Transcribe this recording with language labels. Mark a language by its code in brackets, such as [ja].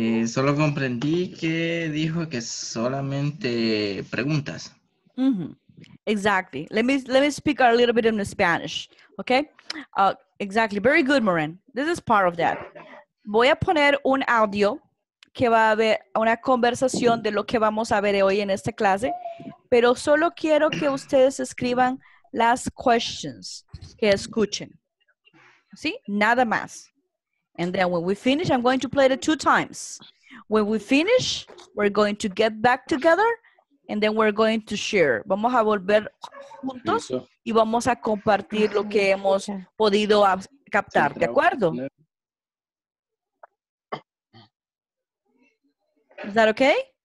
[es] Solo comprendí que dijo que solamente preguntas. [en] Mm-hmm. Exactly. Let me speak a little bit in Spanish, okay? Exactly. Very good, Moran. This is part of that. [es] Voy a poner un audio que va a haber una conversación de lo que vamos a ver hoy en esta clase, pero solo quiero que ustedes escriban las questions que escuchen. ¿Sí? Nada más. [en] And then when we finish, I'm going to play it two times. When we finish, we're going to get back together and then we're going to share. [es] Vamos a volver juntos y vamos a compartir lo que hemos podido captar. ¿De acuerdo? [en] Is that okay?